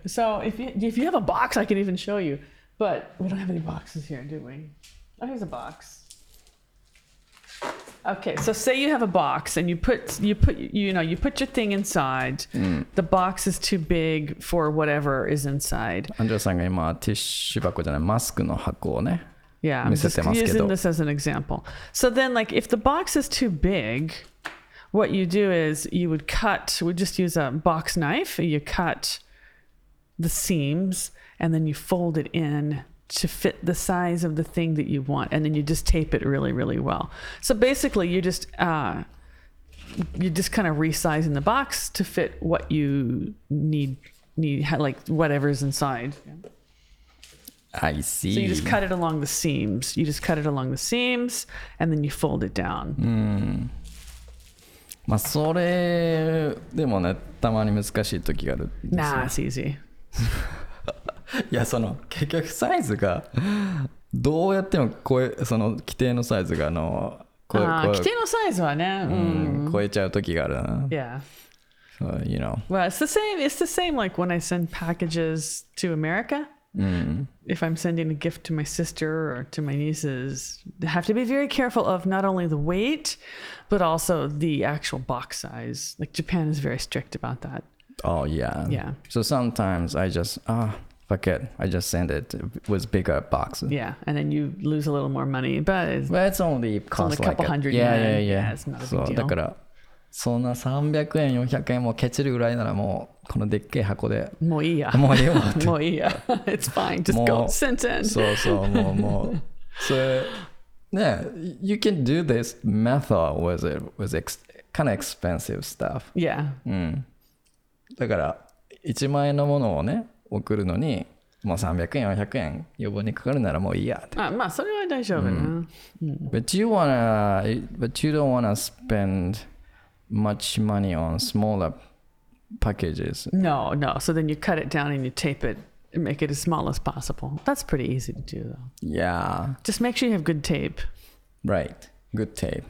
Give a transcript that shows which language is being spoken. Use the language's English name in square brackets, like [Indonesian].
[English] So if you have a box, I can even show you. But we don't have any boxes here, do we? Oh, here's a box. Okay, so say you have a box and you put your thing inside. Mm. The box is too big for whatever is inside. [Japanese] アンジャさんが今ティッシュ箱じゃないマスクの箱をね。 [English] Yeah, I'm just using this as an example. So then, like, if the box is too big, what you do is you would cut, we just use a box knife, you cut the seams, and then you fold it in to fit the size of the thing that you want, and then you just tape it really, really well. So basically, you're just kind of resizing the box to fit what you need, like, whatever's inside. I see. So you just cut it along the seams. And then you fold it down. [Japanese] まあそれでもねたまに難しい時がある。Nah, [English] it's easy. [Japanese] いやその結局サイズがどうやっても超えその規定のサイズがあの超え規定のサイズはね超えちゃう時があるな。Yeah. [English] So you know. Well, it's the same like when I send packages to America. Mm. If I'm sending a gift to my sister or to my nieces, I have to be very careful of not only the weight, but also the actual box size. Like Japan is very strict about that. Oh, yeah. Yeah. So sometimes I just, fuck it. I just send it with bigger boxes. Yeah. And then you lose a little more money. But it's only a couple hundred yen. Yeah. It's not a big deal. [Japanese] そんな 300 円 400 円もケチるぐらいならもうこのでっけえ箱でもういいやもういいわって [English] もういいや It's fine just go send in そうそうもうそれね You can do this method with kind of expensive stuff Yeah [Japanese] うんだから1万円のものをね送るのにもう300円400円余分にかかるならもういいやってあまあそれは大丈夫な、うん、 [English] But you don't wanna spendmuch money on smaller packages. No. So then you cut it down and you tape it and make it as small as possible. That's pretty easy to do though. Yeah. Just make sure you have good tape. Right. Good tape.